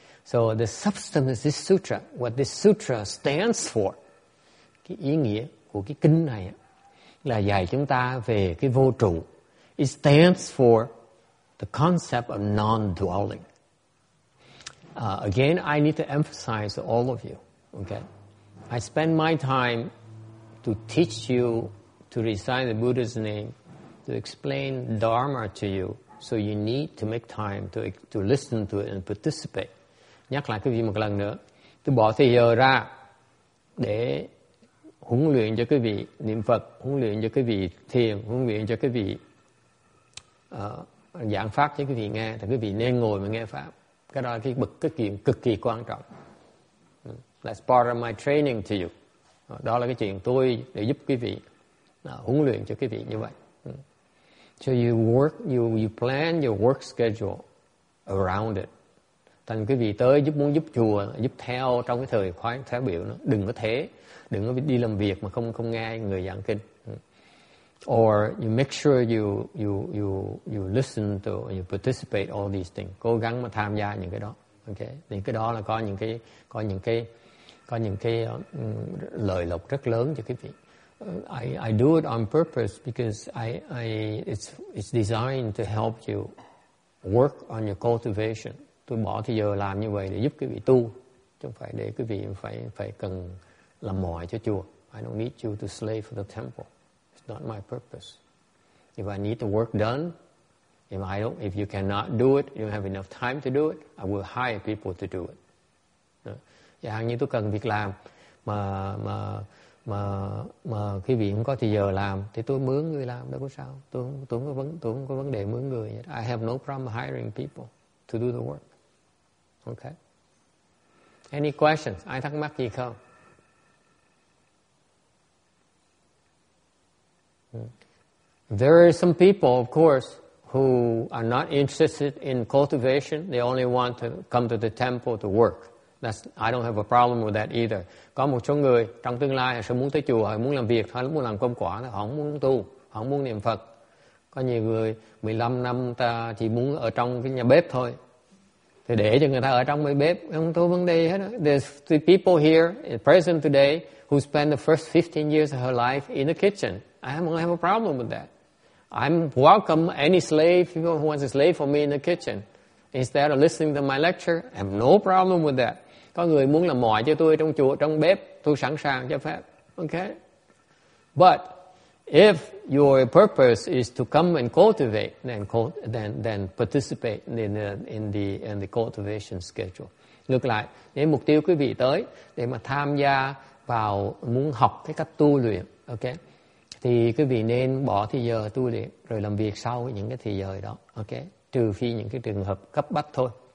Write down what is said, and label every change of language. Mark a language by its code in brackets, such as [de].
[en] So the substance of this sutra, what this sutra stands for, [vi] cái ý nghĩa của cái kinh này là dạy chúng ta về cái vô trụ. [en] It stands for the concept of non-dwelling. Again, I need to emphasize to all of you, okay? I spend my time to teach you to recite the Buddha's name, to explain Dharma to you, so you need to make time to listen to it and participate. [vi] Nhắc lại cái gì một lần nữa, tôi bỏ thời giờ ra để huấn luyện cho quý vị niệm Phật, huấn luyện cho quý vị thiền, huấn luyện cho quý vị giảng pháp cho quý vị nghe, thì quý vị nên ngồi mà nghe pháp. Cái đó là cái chuyện cực kỳ quan trọng. [en] That's part of my training to you. [vi] Đó là cái chuyện tôi để giúp quý vị huấn luyện cho quý vị như vậy. [en] So you work, you plan your work schedule around it. [vi] Thành quý vị tới muốn giúp chùa, giúp theo trong cái thời khóa theo biểu nó, đừng có đi làm việc mà không nghe người giảng kinh. [en] Or you make sure you listen to, you participate all these things. [vi] Cố gắng mà tham gia những cái đó. Okay, những cái đó là có những cái lợi lộc rất lớn cho quý vị. [en] I do it on purpose because it's designed to help you work on your cultivation. [vi] Tôi bỏ thời giờ làm như vậy để giúp quý vị tu, chứ không phải để quý vị phải cần làm mọi cho chùa. [en] I don't need you to slave for the temple. It's not my purpose. If I need the work done, if you cannot do it, you don't have enough time to do it, I will hire people to do it. [vi] Giả hạn như tôi cần việc làm mà quý vị không có thời giờ làm thì tôi mướn người làm đâu có sao. Tôi không có vấn đề mướn người. [en] I have no problem hiring people to do the work. Okay. Any questions? [vi] Ai thắc mắc gì không? [en] There are some people, of course, who are not interested in cultivation. They only want to come to the temple to work. I don't have a problem with that either. [vi] Có một số người trong tương lai sẽ muốn tới chùa, muốn làm việc, hay muốn làm công quả, họ không muốn tu, họ không muốn niệm Phật. Có nhiều người 15 năm ta chỉ muốn ở trong cái nhà bếp thôi. Thì để cho người ta ở trong cái bếp, không có vấn đề hết. [en] There's the people here, present today, who spend the first 15 years of her life in the kitchen. I don't have a problem with that. I'm welcome any slave, people who wants to slave for me in the kitchen. Instead of listening to my lecture, I have no problem with that. [vi] Có người muốn làm mọi cho tôi trong chùa, trong bếp, tôi sẵn sàng cho phép. [en] Okay? But if your purpose is to come and cultivate, then participate in the cultivation schedule. [vi] Ngược lại, nếu mục tiêu quý vị tới để mà tham gia vào muốn học cái cách tu luyện, okay? Thì quý vị nên bỏ thời giờ tu luyện rồi làm việc sau những cái thời giờ đó, okay? Trừ phi những cái trường hợp cấp bách thôi.